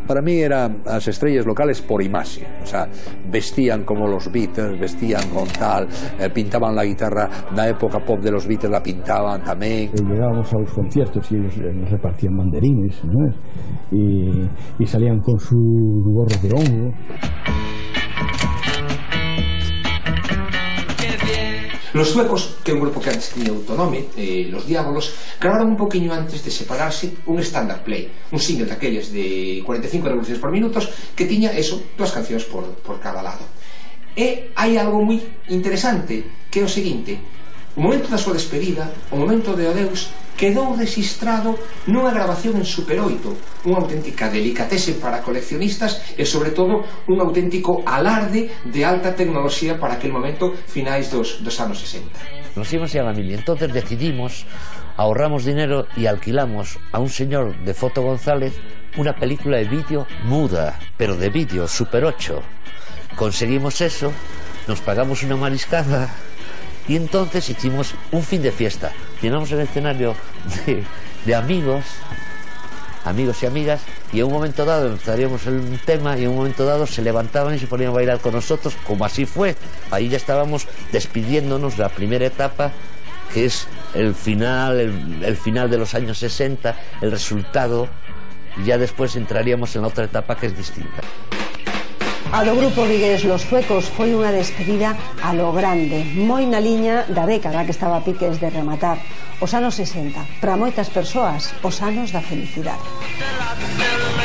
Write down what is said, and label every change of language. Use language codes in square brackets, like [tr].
[es] Para mí eran las estrellas locales por imagen. O sea, vestían como los Beatles, vestían con tal, pintaban la guitarra, la época pop de los Beatles la pintaban también. Llegábamos a los conciertos y ellos nos repartían banderines, ¿no? Y salían con sus gorros de hongo. [gl] Los suecos, que é un grupo que antes tenía autonome, Los Diábolos, grabaron un poquinho antes de separarse un standard play, un single daqueles de 45 revoluciones por minutos, que tiña eso, dúas cancións por cada lado. E hai algo moi interesante, que é o seguinte: o momento da súa despedida, o momento de adeus, quedou registrado nunha grabación en Super 8, unha auténtica delicatese para coleccionistas e, sobre todo, un auténtico alarde de alta tecnoloxía para aquel momento, finais dos anos 60. [es] Nos íbamos a la mili, entonces decidimos, ahorramos dinero e alquilamos a un señor de Foto González unha película de vídeo muda, pero de vídeo, Super 8. Conseguimos eso, nos pagamos unha mariscada. Y entonces hicimos un fin de fiesta. Llenamos el escenario de amigos, amigos y amigas, y en un momento dado empezaríamos el tema y en un momento dado se levantaban y se ponían a bailar con nosotros, como así fue. Ahí ya estábamos despidiéndonos de la primera etapa, que es el final, el final de los años 60, el resultado, y ya después entraríamos en la otra etapa que es distinta. [gl] A do grupo vigués Los Suecos foi unha despedida a lo grande, moi na liña da década que estaba a piques de rematar. Os anos 60, para moitas persoas, os anos da felicidade.